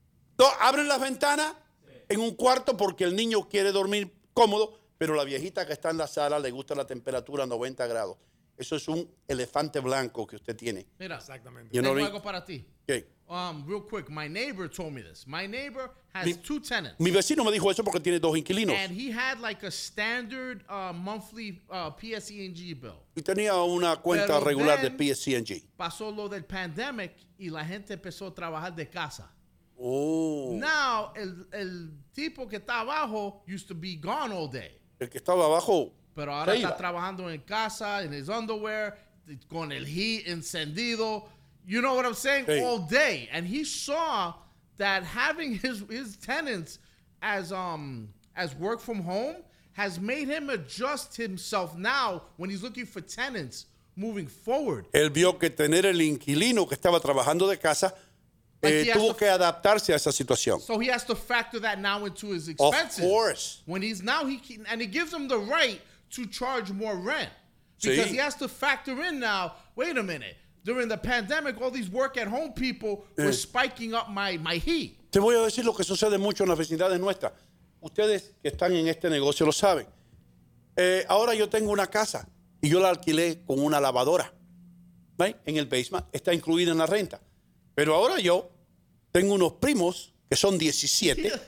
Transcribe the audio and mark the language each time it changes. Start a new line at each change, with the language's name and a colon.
Spanish: Entonces, abren las ventanas en un cuarto porque el niño quiere dormir cómodo, pero la viejita que está en la sala le gusta la temperatura a 90 grados. Eso es un elefante blanco que usted tiene. Mira, exactamente.
English: You know
Spanish: tengo algo para ti. ¿Qué?
English: Real quick, my neighbor told me this. My neighbor has two tenants.
Spanish: Mi vecino me dijo eso porque tiene dos inquilinos.
English: And he had like a standard monthly PSE&G bill.
Spanish: Y tenía una cuenta pero regular de PSE&G. Pasó lo del pandemic y la gente empezó a trabajar de casa. Oh.
English: Now,
Spanish: el tipo que está abajo
English: used to be gone all day.
Spanish: El que estaba abajo. Pero ahora está trabajando en casa,
English: in his underwear,
Spanish: con el heat encendido.
English: You know what I'm saying? Hey. All day. And he saw that having his tenants as work from home has made him adjust himself now when he's looking for tenants moving forward.
Spanish: Él vio que tener el inquilino que estaba trabajando de casa tuvo que adaptarse a esa situación.
English: So he has to factor that now into his expenses. Of course. When he's now, and it gives him the right to charge more rent. Because he has to factor in now, wait a minute. During the pandemic, all these work-at-home people were spiking up my heat.
Spanish: Te voy a decir lo que sucede mucho en las vecindades nuestras. Ustedes que están en este negocio lo saben. Ahora yo tengo una casa y yo la alquilé con una lavadora. ¿Ve? En el basement. Está incluida en la renta. Pero ahora yo tengo unos primos que son 17.